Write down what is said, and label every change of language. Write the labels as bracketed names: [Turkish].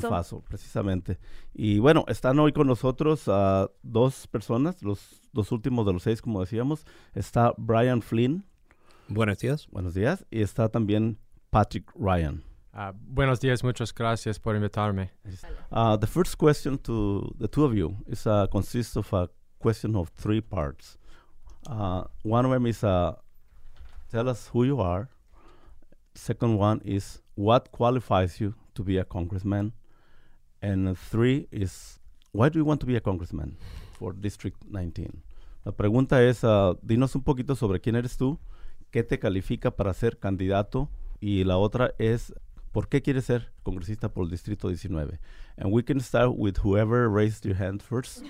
[Spanish] John Faso, precisamente. Y bueno, están hoy con nosotros dos personas, los dos últimos de los seis, como decíamos. Está Brian Flynn. Buenos días. Buenos días. Y está también Patrick Ryan. Buenos días. Muchas gracias por invitarme. [English] The first question to the two of you is consists of a question of three parts. One of them is tell us who you are. Second one is what qualifies you to be a congressman. And three is why do you want to be a congressman for District 19? [Spanish] La pregunta es, dinos un poquito sobre quién eres tú. ¿Qué te califica para ser candidato? Y la otra es, ¿por qué quieres ser congresista por el Distrito 19? [English] And we can start with whoever raised your hand first.